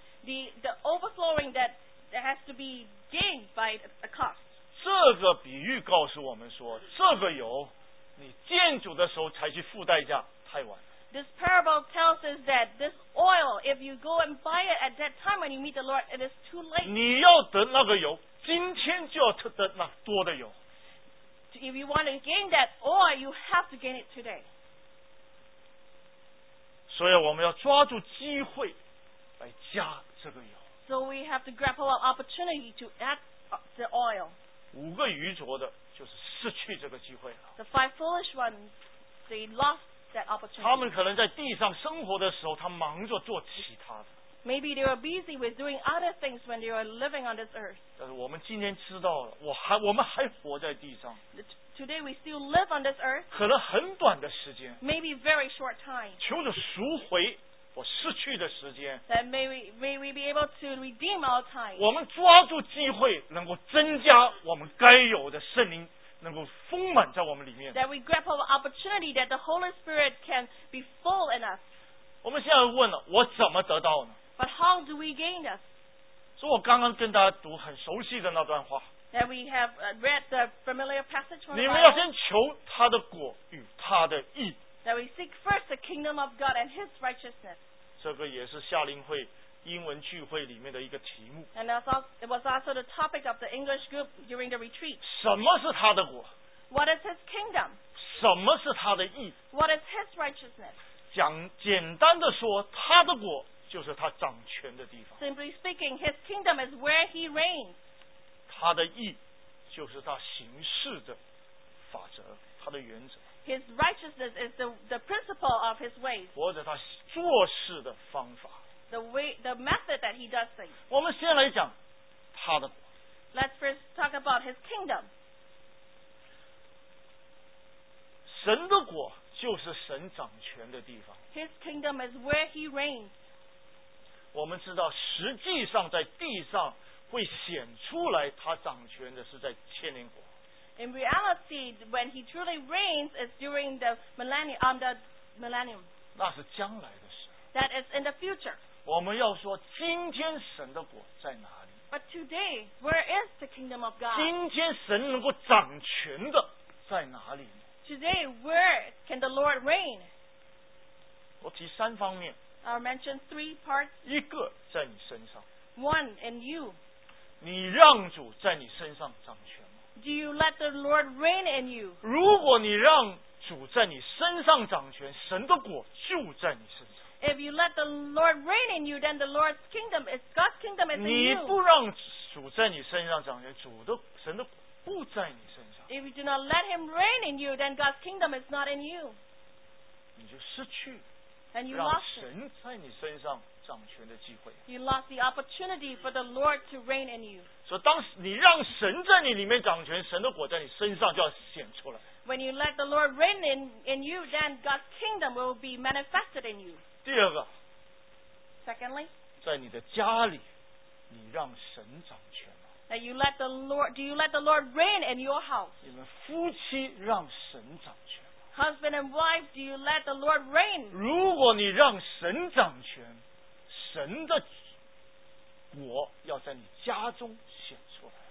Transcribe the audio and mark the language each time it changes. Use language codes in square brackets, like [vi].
[en] The overflowing that has to be gained by a cost. [zh] 这个比喻告诉我们说，这个油你见主的时候才去付代价太晚了。 [en] This parable tells us that this oil, if you go and buy it at that time when you meet the Lord, it is too late. [zh] 你要得那个油，今天就要得那多的油。 [en] If you want to gain that oil, you have to gain it today. [zh] 所以我们要抓住机会来加这个油。 [en] So we have to grab our opportunity to add the oil. [zh] 五个愚拙的就是失去这个机会了。 [en] The five foolish ones, they lost that opportunity. [zh] 他们可能在地上生活的时候，他忙着做其他的。 [en] Maybe they were busy with doing other things when they were living on this earth. [zh] 但是我们今天知道了，我们还活在地上。 [en] Today we still live on this earth. [zh] 可能很短的时间。 [en] Maybe very short time. [zh] 求主赎回我失去的时间。 [en] That may we be able to redeem our time. [zh] 我们抓住机会，能够增加我们该有的圣灵，能够丰满在我们里面。 [en] That we grab our opportunity that the Holy Spirit can be full in us. [zh] 我们现在问了，我怎么得到呢 [en] ？But how do we gain this？ [zh] 所以我刚刚跟大家读很熟悉的那段话。 [en] That we have read the familiar passage from. [zh] 你们要先求他的果与他的义。 [en] That we seek first the kingdom of God and His righteousness. [zh] 这个也是夏令会英文聚会里面的一个题目。 [en] And it was also the topic of the English group during the retreat. [zh] 什么是他的国？ [en] What is His kingdom? [zh] 什么是他的义？ [en] What is His righteousness? [zh] 讲简单的说，他的国就是他掌权的地方。 [en] Simply speaking, His kingdom is where He reigns. [zh] 他的义就是他行事的法则，他的原则。 [en] His righteousness is the principle of his ways. [zh] 或者他做事的方法。 [en] The method that he does things. [zh] 我们先来讲他的。 [en] Let's first talk about his kingdom. [zh] 神的国就是神掌权的地方。 [en] His kingdom is where he reigns. [zh] 我们知道实际上在地上会显出来他掌权的是在千年国。 [en] In reality, when he truly reigns, it's during the millennium. That is [zh] 将来的事。 [en] That is in the future. [zh] 我们要说今天神的国在哪里。 [en] But today, where is the kingdom of God? [zh] 今天神能够掌权的在哪里呢？ [en] Today, where can the Lord reign? [zh] 我提三方面。 [en] I'll mention three parts. [zh] 一个在你身上。 [en] One in you. [zh] 你让主在你身上掌权。 [en] Do you let the Lord reign in you? [zh] 如果你让主在你身上掌权，神的国就在你身上。 [en] If you let the Lord reign in you, then the Lord's kingdom is God's kingdom is in you. [zh] 你不让主在你身上掌权，神的国不在你身上。 [en] If you do not let Him reign in you, then God's kingdom is not in you. [zh] 你就失去 [en] and you lost [zh] 让神在你身上掌权的机会。 [en] You lost the opportunity for the Lord to reign in you. [zh] 所以当你让神在你里面掌权，神的国在你身上就要显出来。 [en] When you let the Lord reign in you, then God's kingdom will be manifested in you. [zh] 第二个。 [en] Secondly. [zh] 在你的家里，你让神掌权吗 [en] ？That you let the Lord, do you let the Lord reign in your house? [zh] 你们夫妻让神掌权吗 [en] husband and wife, do you let the Lord reign? [zh] 如果你让神掌权，神的国要在你家中显出来。